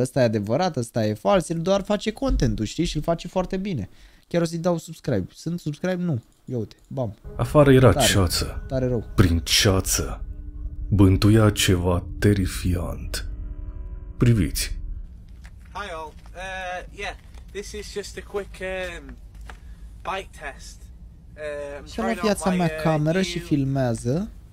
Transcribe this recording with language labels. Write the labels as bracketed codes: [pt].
[ro] Ăsta e adevărat, ăsta e fals, el doar face contentul, știi? Și îl face foarte bine. Chiar o să-i dau subscribe. Sunt subscribe? Nu. Ia uite, bam. Afară era tare, ceață. Tare rău. Prin ceață bântuia ceva terifiant. Priviți. [en] Hi all. Yeah, this is just a quick bike test. [ro] Și la viața mea cameră și filmează.